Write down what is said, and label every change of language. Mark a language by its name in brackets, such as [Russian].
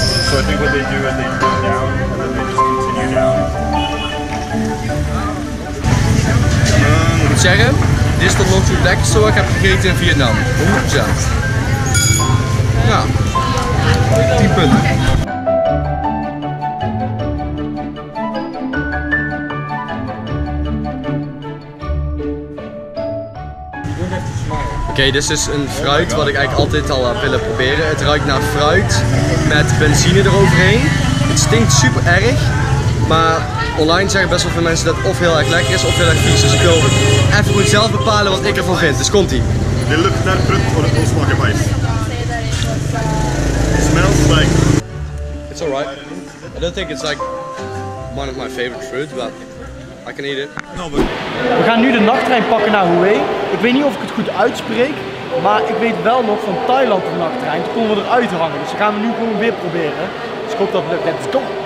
[English] So I think what they do is they go down and then they just continue down. [Dutch] Ik moet zeggen, dit is tot nog toe het lekkerste wat ik heb gegeten in Vietnam. 100%. Ja. 10 punten. Oké, okay, dit is een fruit wat ik eigenlijk altijd al heb willen proberen. Het ruikt naar fruit met benzine eroverheen. Het stinkt super erg, maar online zeggen best wel veel mensen dat het of heel erg lekker is of heel erg vies. Dus ik wil even goed zelf bepalen wat ik ervan vind. Dus komt ie. De lucht naar fruit voor het smaken van ijs. [English] Smells like... It's alright. I don't think it's like one of my favorite fruit, but... I can eat it. [Dutch] We gaan nu de nachttrein pakken naar Hue. Ik weet niet of ik het goed uitspreek, maar ik weet wel nog van Thailand de nachttrein. Toen konden we eruit hangen, dus gaan we nu gewoon weer proberen. Dus ik hoop dat het lukt. [English] Let's go!